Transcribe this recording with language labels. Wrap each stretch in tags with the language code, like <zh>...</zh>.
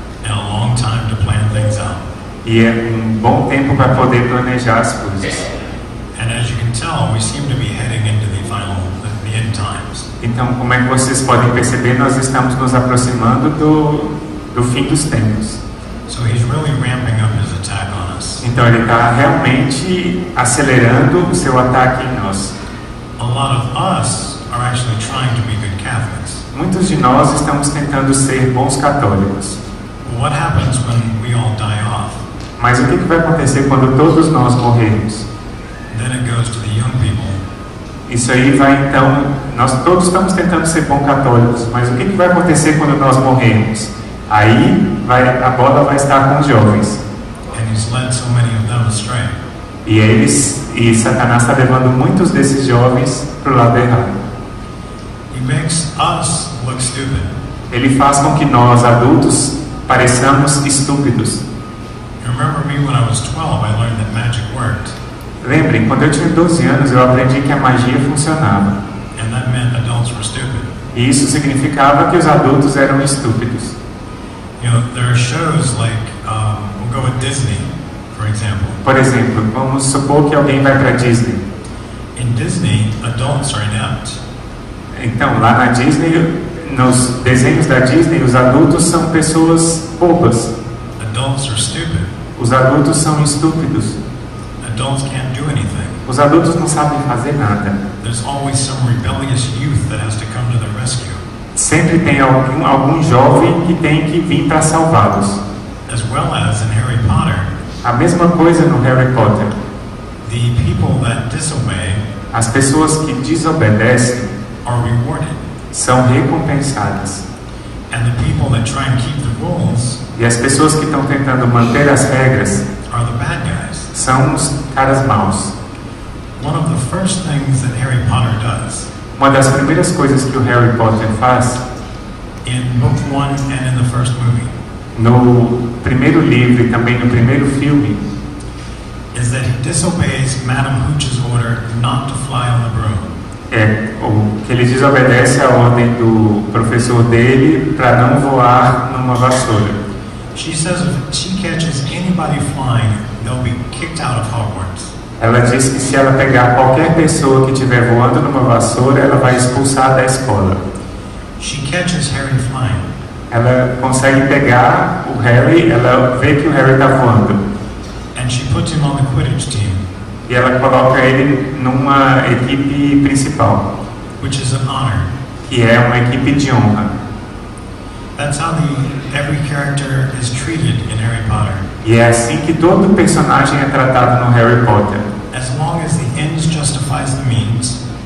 <en>And a long time to plan things out.</en> <pt>E é um bom tempo para poder planejar as coisas.</pt> <en>And as you can tell, we seem to be heading into the final, the end times.</en> <pt>Então, como é que vocês podem perceber, nós estamos nos aproximando do fim dos tempos.</pt> <en>So he's really ramping up his attack on us.</en> <pt>Então ele está realmente acelerando o seu ataque em nós.</pt> <en>A lot of us are actually trying to be good Catholics.</en> <pt>Muitos de nós estamos tentando ser bons católicos.</pt> <en>What happens when we all die off?</en> <pt>Mas o que vai acontecer quando todos nós morrermos?</pt> <en>Then it goes to the young people.</en> <pt>Isso aí vai então, nós todos estamos tentando ser bons católicos, mas o que vai acontecer quando nós morrermos? Aí a bola vai estar com os jovens.</pt> <en>And he's led so many of them astray.</en> <pt>E Satanás está levando muitos desses jovens para o lado errado.</pt> <en>He makes us look stupid.</en> <pt>Ele faz com que nós, adultos, pareçamos estúpidos.</pt> <en>Remember me when I was 12, I learned that magic worked.</en> <pt>Lembrem, quando eu tinha 12 anos, eu aprendi que a magia funcionava.</pt> <en>And that meant adults were stupid.</en> <pt>E isso significava que os adultos eram estúpidos.</pt> <en>You know, there are shows like we'll go with Disney, for example.</en> <pt>Por exemplo, vamos supor que alguém vai para Disney.</pt> <en>In Disney, adults are inept.</en> <pt>Então, lá na Disney, nos desenhos da Disney, os adultos são pessoas bobas.</pt> <en>Adults are stupid.</en> <pt>Os adultos são estúpidos.</pt> <en>Adults can't do anything.</en> <pt>Os adultos não sabem fazer nada.</pt> <en>There's always some rebellious youth that has to come to the rescue.</en> <pt>Sempre tem algum jovem que tem que vir para salvá-los.</pt> <en>As well as in Harry Potter.</en> <pt>A mesma coisa no Harry Potter.</pt> <en>The people that disobey,</en> <pt>as pessoas que desobedecem,</pt> <en>are rewarded.</en> <pt>São recompensadas.</pt> <en>And the people that try and keep the rules,</en> <pt>e as pessoas que estão tentando manter as regras,</pt> <en>are the bad guys.</en> <pt>São os caras maus.</pt> <en>One of the first things that Harry Potter does.</en> <pt>Uma das primeiras coisas que o Harry Potter faz</pt> <en>in book one and in the first movie,</en> <pt>no primeiro livro e também no primeiro filme</pt> <en>is that he disobeys Madame Hooch's order not to fly on the broom.</en> <pt>É que ele desobedece a ordem do professor dele para não voar numa vassoura.</pt> <en>She says if she catches anybody flying, they'll be kicked out of Hogwarts.</en> <pt>Ela diz que se ela pegar qualquer pessoa que estiver voando numa vassoura, ela vai expulsar da escola.</pt> <en>She catches Harry flying.</en> <pt>Ela consegue pegar o Harry, ela vê que o Harry está voando.</pt> <en>And she puts him on the Quidditch team.</en> <pt>E ela coloca ele numa equipe principal.</pt> <en>Which is an honor.</en> <pt>Que é uma equipe de honra.</pt> <en>That's how every character is treated in Harry Potter.</en> <pt>E é assim que todo personagem é tratado no Harry Potter.</pt> <en>As long as the ends justifies the means.</en>